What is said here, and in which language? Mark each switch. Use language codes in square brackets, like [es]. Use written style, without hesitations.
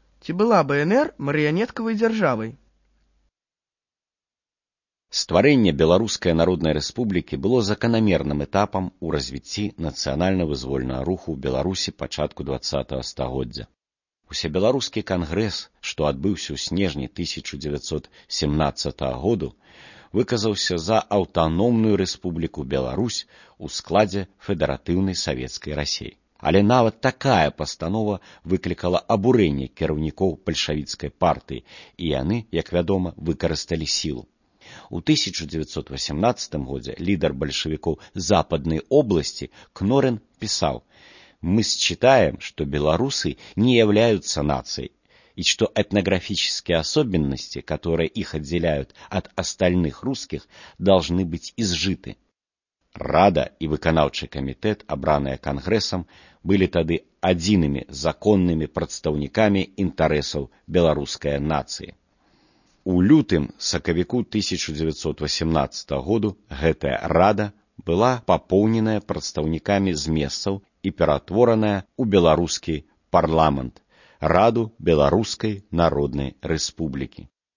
[ru] власти была БНР марионетковой державой. [be] Створение Беларускай Народнай Рэспублікі было заканамерным этапам у развіцці нацыянальна-вызвольнага руху ў Беларусі пачатку 20-га стагоддзя. Усебеларускі кангрэс, што адбыўся ў снежні 1917 году, выказаўся за аўтаномную рэспубліку Беларусь у складзе федэратыўнай савецкай Расіі. Але нават такая пастанова выклікала абурэнне кіраўнікоў бальшавіцкай партыі, і яны, як вядома, выкарысталі сілу. У 1918 годзе лідар бальшавікоў Западнай области Кнорын пісаў: [ru] «Мы считаем, что беларусы не являются нацией, и что этнографические особенности, которые их отделяют от остальных русских, должны быть изжиты». [be] Рада и выканаўчий комитет, абраныя Конгрессом, были тады адзінымі законнымі прадстаўнікамі интересов беларускай нации. У лютым сакавіку 1918 году гэтая рада была папоўненая прадстаўнікамі з месцаў і ператвораная ў беларускі парламент, Раду Беларускай Народнай Рэспублікі.